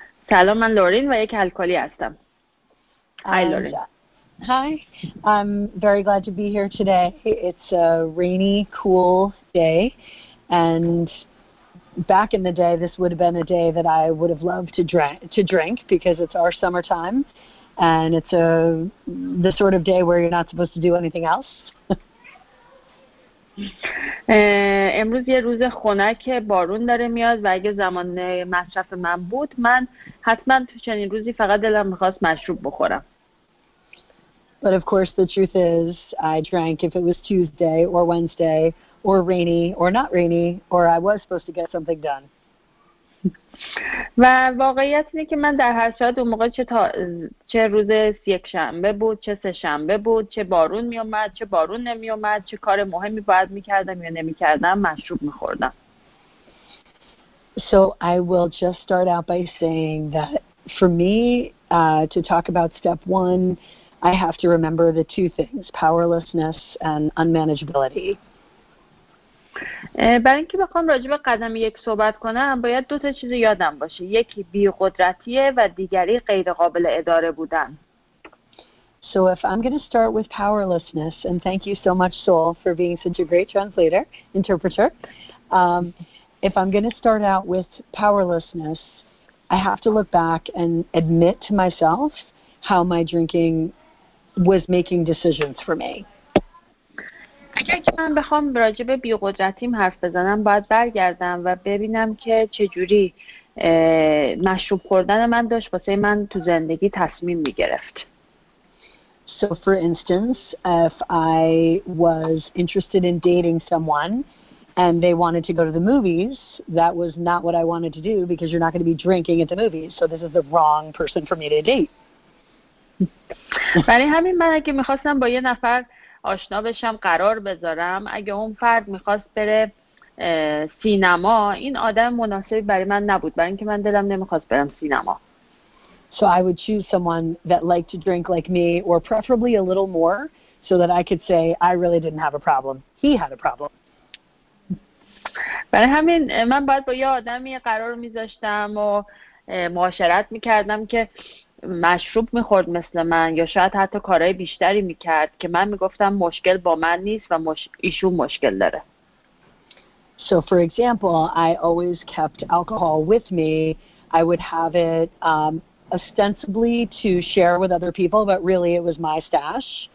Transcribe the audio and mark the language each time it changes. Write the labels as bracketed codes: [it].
[fa] سلام، من لورین و یک الکلی هستم. [en] Hi, Lorraine. Hi, I'm very glad to be here today. It's a rainy, cool day, and back in the day, this would have been a day that I would have loved to drink because it's our summertime, and it's the sort of day where you're not supposed to do anything else. [fa] امروز یه روز خنکه، بارون داره میاد و اگه زمان مصرف من بود، من حتما تو چنین روزی فقط دلم میخواست مشروب بخورم. [en] But of course the truth is I drank if it was Tuesday or Wednesday or rainy or not rainy or I was supposed to get something done. [fa] و واقعیت اینه که من در هر صورت اون موقع چه روز یک شنبه بود، چه سه شنبه بود، چه بارون می اومد، چه بارون نمی اومد، چه کار مهمی باید میکردم یا نمیکردم، مشروب میخوردم. [en] So I will just start out by saying that for me to talk about step one, I have to remember the two things, powerlessness and unmanageability. [fa] برای اینکه بخوام راجع به قدم یک صحبت کنم، باید دو تا چیز یادم باشه. یکی بی‌قدرتیه و دیگری غیر قابل اداره بودن. [en] So if I'm going to start with powerlessness, and thank you so much, Sol, for being such a great interpreter. If I'm going to start out with powerlessness, I have to look back and admit to myself how my drinking was making decisions for me. [fa] اگر که من بخوام راجع به بی‌قدرتیم حرف بزنم، باید برگردم و ببینم که چجوری مشروب خوردن من داشت واسه من تو زندگی تصمیم می‌گرفت. [en] So for instance, if I was interested in dating someone and they wanted to go to the movies, that was not what I wanted to do because you're not going to be drinking at the movies, so this is the wrong person for me to date. [fa] برای همین من اگه میخواستم با یه نفر آشنا بشم، قرار بذارم، اگه اون فرد میخواست بره سینما، این آدم مناسبی برای من نبود، برای اینکه من دلم نمیخواست برم سینما. [en] So I would choose someone that liked to drink like me or preferably a little more so that I could say I really didn't have a problem. He had a problem. [fa] برای همین من باید با یه آدمی قرار میذاشتم و معاشرت میکردم که مشروب میخورد مثل من یا شاید حتی کارهای بیشتری میکرد که من میگفتم مشکل با من نیست و ایشون مشکل داره. [en] So for example, I always kept alcohol with me. I would have it ostensibly to share with other people, but really it was my stash.